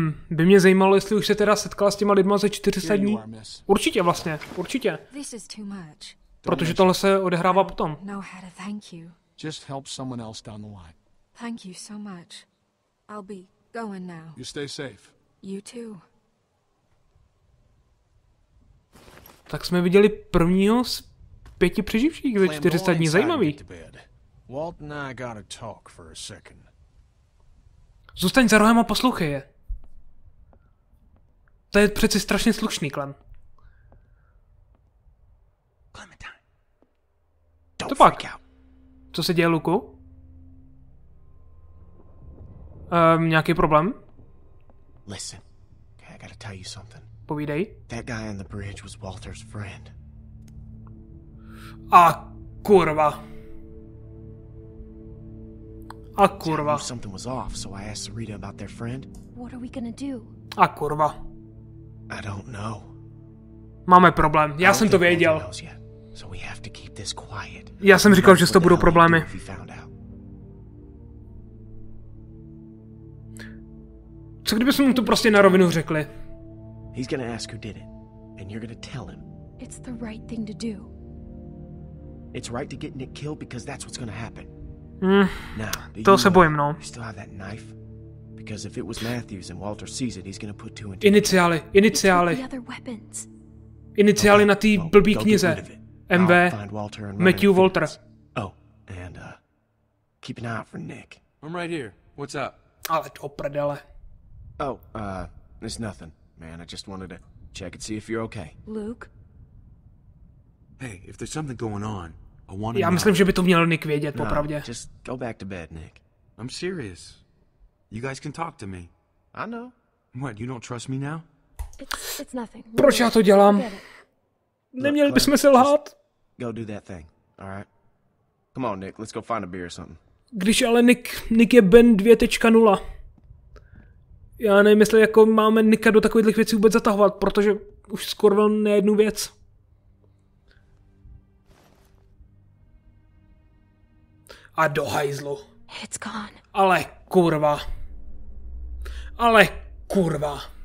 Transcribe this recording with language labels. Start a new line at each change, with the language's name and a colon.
Czech: By mě zajímalo, jestli už se teda setkala s těma lidma ze 400 dní. Určitě vlastně, určitě. Protože tohle se odehrává potom.
English: Just help someone else down the line. Thank you so much. I'll be going now. You stay safe. You too.
Czech: Tak jsme viděli prvního z pěti přeživších ze 400 dní. Zajímavý.
English: Walt and I gotta talk for a second.
Czech: Zůstaň za rohem a poslouchej je. To je přeci strašně slušný, Clem. Clementine. To pak. Co se děje, Luku? Nějaký problém?
English: Listen. Okay, I gotta tell you something.
Czech: Povídej.
English: That guy on the bridge was Walter's friend.
Czech: A kurva. A kurva.
English: I knew something was off, so I asked Sarita about their friend. What are we gonna do?
Czech: A kurva.
English: I don't know.
Czech: Máme problém. Já jsem to věděl.
English: So we have to keep this quiet.
Czech: Já jsem říkal, že to budou problémy. Co kdyby jsme mu to prostě na rovinu řekli?
English: He's gonna ask who did it, and you're gonna tell him. It's the right thing to do. It's right to get Nick killed because that's what's gonna happen.
Czech: Now, to se bojím, no.
English: You still have that knife? Because if it was Matthews and Walter sees it, he's gonna put two and two.
Czech: Iniciály, iniciály.
English: The other weapons.
Czech: Iniciály na té blbý knize. MV. Matthew Walter.
English: Oh, and keep an eye out for Nick. I'm right here. What's up?
Czech: Ale to prdele.
English: Oh, there's nothing. Man, I just wanted to check and see if you're okay. Luke? Hey, if there's something going on, I want to
Czech: know. Já myslím, že by to měl Nick vědět, popravdě.
English: No, just go back to bed, Nick. I'm serious. You guys can talk to me. I know. What, you don't trust me now? It's nothing.
Czech: Proč já to dělám? Neměli bychom si lhát?
English: Go do that thing, alright? Come on, Nick, let's go find a beer or something.
Czech: Když ale Nick je Ben 2.0. Já nevím, jestli jako máme Nika do takových věcí vůbec zatahovat, protože už skoro byl nejednu věc. A do hajzlu.
English: It's gone.
Czech: Ale kurva. Ale kurva.